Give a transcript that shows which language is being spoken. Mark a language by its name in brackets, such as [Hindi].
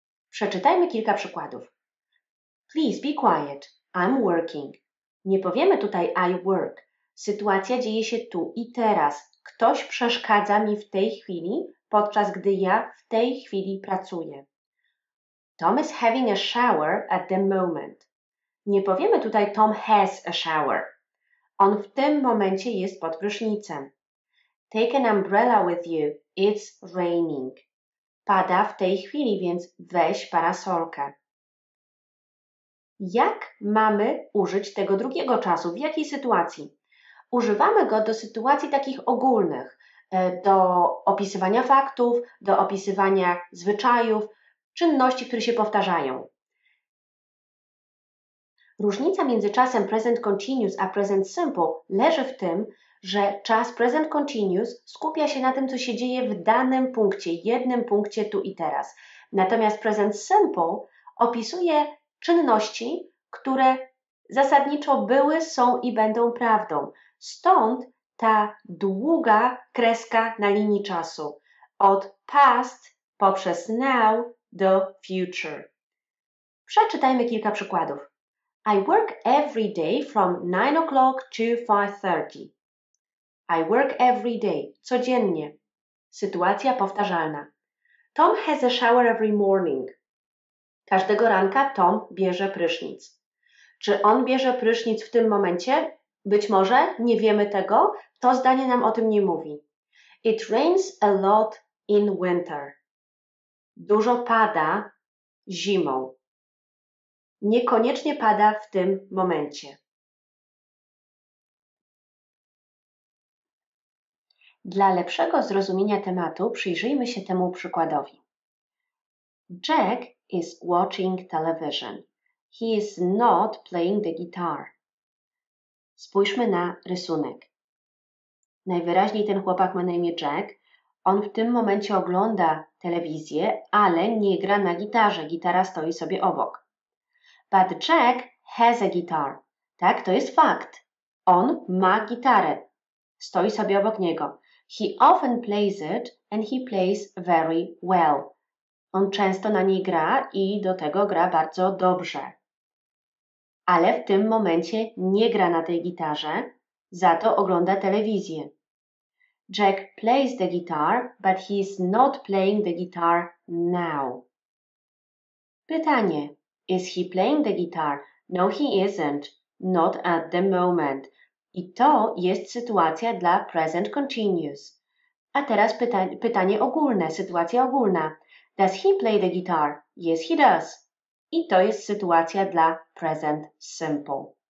[Polish] Przeczytajmy kilka przykładów. [English] Please be quiet. I'm working. [Polish] Nie powiemy tutaj [English] I work. [Polish] Sytuacja dzieje się tu i teraz. Ktoś przeszkadza mi w tej chwili, podczas gdy ja w tej chwili pracuję. [English] Tom is having a shower at the moment. [Polish] Nie powiemy tutaj [English] Tom has a shower. [Polish] On w tym momencie jest pod prysznicem. [English] Take an umbrella with you. It's raining. [Polish] Pada w tej chwili, więc weź parasolkę. Jak mamy użyć tego drugiego czasu? W jakiej sytuacji? Używamy go do sytuacji takich ogólnych, do opisywania faktów, do opisywania zwyczajów, czynności, które się powtarzają. Różnica między czasem present continuous a present simple leży w tym, że czas present continuous skupia się na tym, co się dzieje w danym punkcie, jednym punkcie tu i teraz. Natomiast present simple opisuje czynności, które zasadniczo były, są i będą prawdą. Stąd ta długa kreska na linii czasu. Od past poprzez now do future. Przeczytajmy kilka przykładów. [English] I work every day from 9 o'clock to 5:30. I work every day. [Polish] Codziennie. Sytuacja powtarzalna. [English] Tom has a shower every morning. [Polish] Każdego ranka Tom bierze prysznic. Czy on bierze prysznic w tym momencie? Być może, nie wiemy tego. To zdanie nam o tym nie mówi. [English] It rains a lot in winter. [Polish] Dużo pada zimą. Niekoniecznie pada w tym momencie. Dla lepszego zrozumienia tematu przyjrzyjmy się temu przykładowi. [English] Jack is watching television. He is not playing the guitar. [Polish] Spójrzmy na rysunek. Najwyraźniej ten chłopak ma na imię Jack. On w tym momencie ogląda telewizję, ale nie gra na gitarze. Gitara stoi sobie obok. [English] But Jack has a guitar. [Polish] Tak, to jest fakt. On ma gitarę. Stoi sobie obok niego. [English] He often plays it and he plays very well. [Polish] On często na niej gra i do tego gra bardzo dobrze. Ale w tym momencie nie gra na tej gitarze, za to ogląda telewizję. [English] Jack plays the guitar, but he is not playing the guitar now. [Polish] Pytanie. [English] Is he playing the guitar? No, he isn't. Not at the moment. [Polish] I to jest sytuacja dla present continuous. A teraz pytanie ogólne, sytuacja ogólna. [English] Does he play the guitar? Yes, he does. [Polish] I to jest sytuacja dla present simple.